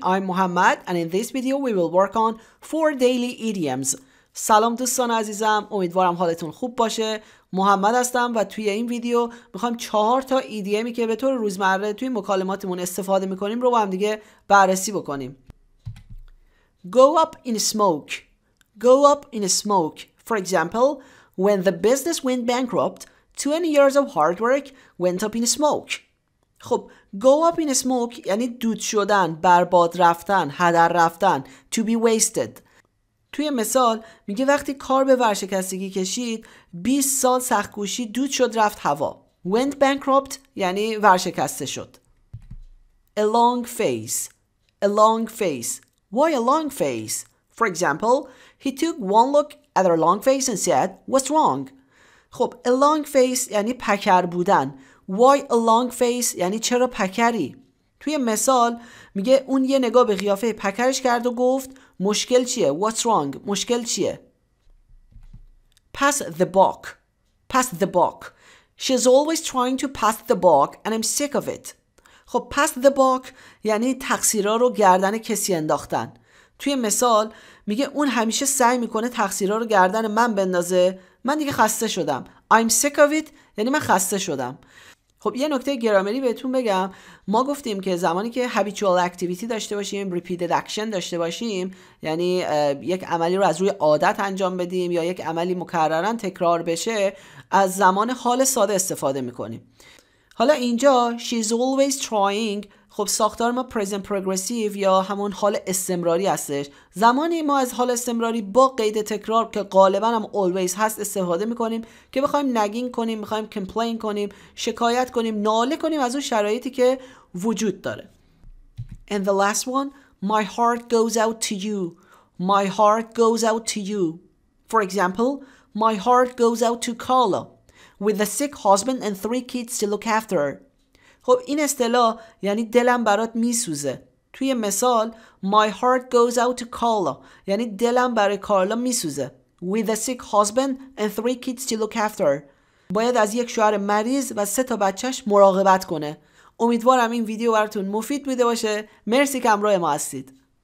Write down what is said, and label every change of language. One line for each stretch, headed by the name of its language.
English: I'm Muhammad, and in this video, we will work on four daily idioms.
Persian: سلام دوستان عزیزم. امیدوارم حالتون خوب باشه. محمد هستم و توی این ویدیو میخوایم 4 تا ایدیومی که به طور روزمره توی مکالماتمون استفاده میکنیم رو با هم دیگه بررسی بکنیم.
English: Go up in smoke. Go up in smoke. For example, when the business went bankrupt, 20 years of hard work went up in smoke.
Persian: خب
English: go up in smoke
Persian: یعنی دود شدن، برباد رفتن، هدر رفتن،
English: to be wasted.
Persian: توی مثال میگه وقتی کار به ورشکستگی کشید 20 سال سخت کوشی دود شد رفت هوا.
English: Went bankrupt
Persian: یعنی ورشکسته شد.
English: A long face. A long face. Why a long face? For example, he took one look at her long face and said, what's wrong?
Persian: خب
English: a long face
Persian: یعنی پکر بودن.
English: Why a long face
Persian: یعنی چرا پکری؟ توی مثال میگه اون یه نگاه به قیافه پکرش کرد و گفت مشکل چیه؟
English: What's wrong؟
Persian: مشکل چیه؟
English: Pass the buck. Pass the buck. She's always trying to pass the buck and I'm sick of it.
Persian: خب
English: pass the buck
Persian: یعنی تقصیرها رو گردن کسی انداختن. توی مثال میگه اون همیشه سعی میکنه تقصیرها رو گردن من بندازه. من دیگه خسته شدم.
English: I'm sick of it
Persian: یعنی من خسته شدم. خب یه نکته گرامری بهتون بگم. ما گفتیم که زمانی که habitual activity داشته باشیم، repeated action داشته باشیم، یعنی یک عملی رو از روی عادت انجام بدیم یا یک عملی مکررن تکرار بشه، از زمان حال ساده استفاده میکنیم. حالا اینجا
English: she's always trying،
Persian: خب ساختار ما present progressive یا همون حال استمراری هستش. زمانی ما از حال استمراری با قید تکرار که غالبا هم always هست استفاده میکنیم که بخوایم نگین کنیم، میخوایم complain کنیم، شکایت کنیم، ناله کنیم از اون شرایطی که وجود داره.
English: And the last one, my heart goes out to you. My heart goes out to you. For example, my heart goes out to Carla with a sick husband and 3 kids to look after her.
Persian: خب این اصطلاح یعنی دلم برات میسوزه. توی مثال
English: my heart goes out to Carla
Persian: یعنی دلم برای کارلا میسوزه.
English: With a sick husband and 3 kids to look after.
Persian: باید از یک شوهر مریض و 3 تا بچهش مراقبت کنه. امیدوارم این ویدیو براتون مفید بوده باشه. مرسی که همراه ما هستید.